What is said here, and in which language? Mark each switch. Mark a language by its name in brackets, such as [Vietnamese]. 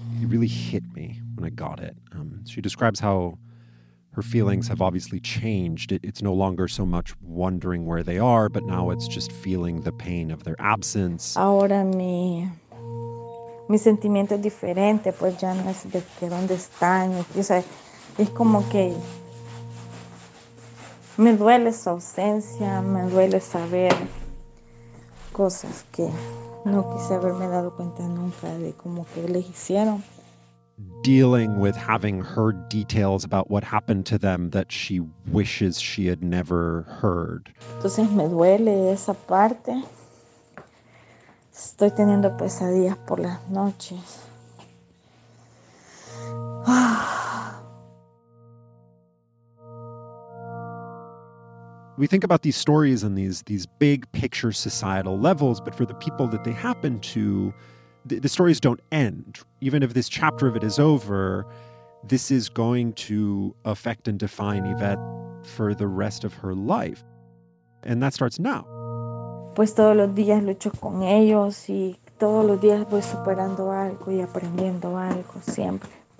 [English] It really hit me when I got it. She describes how her feelings have obviously changed. It's no longer so much wondering where they are, but now it's just feeling the pain of their absence. [Spanish] Ahora mi sentimiento es diferente, pues ya no es de que dónde están. O sea, es como que me duele su ausencia, me duele saber cosas que no quise haberme dado cuenta nunca de como que les hicieron. [English] Dealing with having heard details about what happened to them that she wishes she had never heard. [Spanish] Entonces me duele esa parte. Estoy teniendo pesadillas por las noches. [English] We think about these stories and these big picture societal levels, but for the people that they happen to, the stories don't end. Even if this chapter of it is over, this is going to affect and define Yvette for the rest of her life. And that starts now. [Spanish] Pues todos los días lucho con ellos y todos los días voy superando algo y aprendiendo algo siempre.